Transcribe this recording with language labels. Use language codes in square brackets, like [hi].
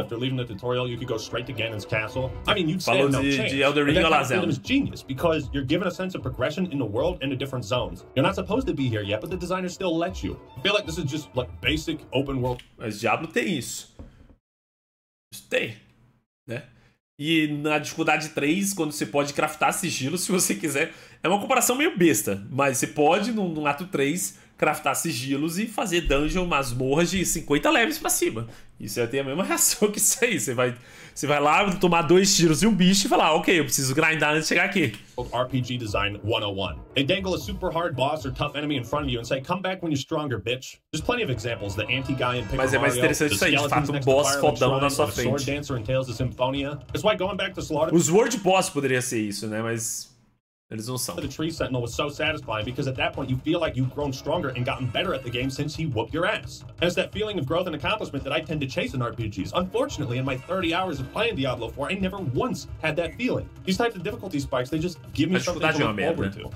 [en] After leaving the tutorial, you could go straight to Ganon's castle. I mean, you'd say no chance. [pt] Falou de Elden Ring, Lazel. [en] The game is genius because you're given a sense of progression in the world and the different zones. You're not supposed to be here yet, but the designer still lets you. I feel like this is just like basic open world. [pt] Mas Diablo tem isso. Tem, né? E na dificuldade 3, quando você pode craftar sigilo, se você quiser, é uma comparação meio besta, mas você pode, no ato 3, craftar sigilos e fazer dungeon, masmorras de 50 levels pra cima. Isso aí tem a mesma reação que isso aí. Você vai lá tomar dois tiros e um bicho e falar, ok, eu preciso grindar antes de chegar aqui. [en] RPG Design 101. They dangle a super hard boss or tough enemy in front of you and say, come back when you're stronger, bitch. There's plenty of examples. The anti-guy in Paper [pt] Mas é mais interessante [en] Mario, [pt] isso aí, de fato, um boss fodão na sua frente. [en] Sword Dancer in Tales of Symphonia. That's why going back to slaughter... [pt] Os word boss poderia ser isso, né, mas... Eles não são. [en] The tree sentinel was so satisfying because at that point you feel like you've grown stronger and gotten better at the game since he whooped your ass. And it's that feeling of growth and accomplishment that I tend to chase in RPGs. Unfortunately, in my 30 hours of playing Diablo 4, I never once had that feeling. These types of difficulty spikes, they just give me something to look forward to.